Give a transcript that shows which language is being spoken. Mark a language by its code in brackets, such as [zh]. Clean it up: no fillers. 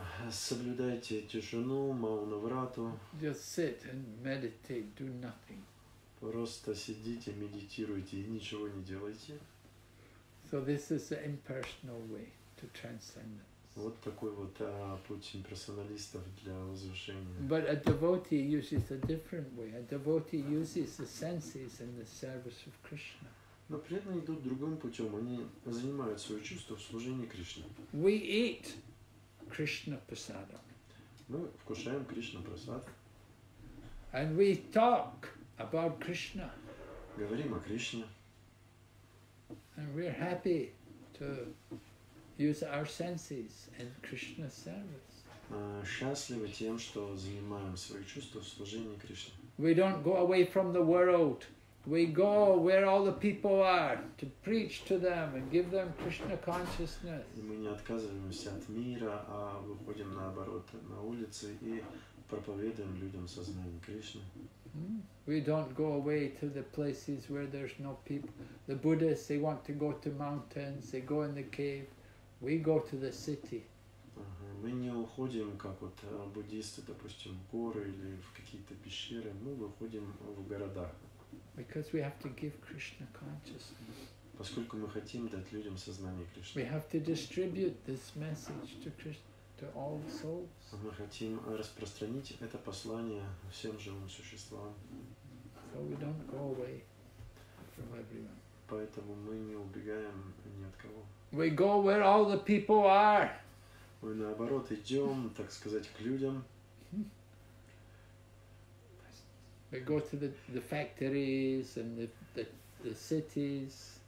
[ru] Соблюдайте тишину, маунаврату. [en] Just sit and meditate, do nothing. [ru] Просто сидите, медитируйте и ничего не делайте. [en] So this is the impersonal way to transcendence. [ru] Вот такой вот путь имперсоналистов для возвышения. [en] But a devotee uses a different way. A devotee uses the senses in the service of Krishna. [ru] Но преданные идут другим путем. Они занимают свое чувство в служении Кришне. [en] We eat Krishna prasadam. [ru] Мы вкушаем Кришна прасад. [en] And we talk about Krishna. [ru] Говорим о Кришне. [en] And we're happy to use our senses in Krishna's service. [ru] Счастливы тем, что занимаем свои чувства в служении Кришне. [en] We don't go away from the world. We go where all the people are to preach to them and give them Krishna consciousness. [ru] И мы не отказываемся от мира, а выходим наоборот на улицы и проповедуем людям сознание Кришны. [en] We don't go away to the places where there's no people. The Buddhists, they want to go to mountains, they go in the cave. We go to the city. [ru] Мы не уходим, как вот буддисты, допустим, в горы или в какие-то пещеры. Мы выходим в города. [en] Because we have to give Krishna consciousness. [ru] Поскольку мы хотим дать людям сознание Кришны. [en] We have to distribute this message to Krishna, to all the souls. [ru] Мы хотим распространить это послание всем живым существам. [en] So we don't go away from everyone. [ru] Поэтому мы не убегаем ни от кого. [en] We go where all the people are. [ru] Мы наоборот идем, так сказать, к людям. [en] We go to the factories and the cities.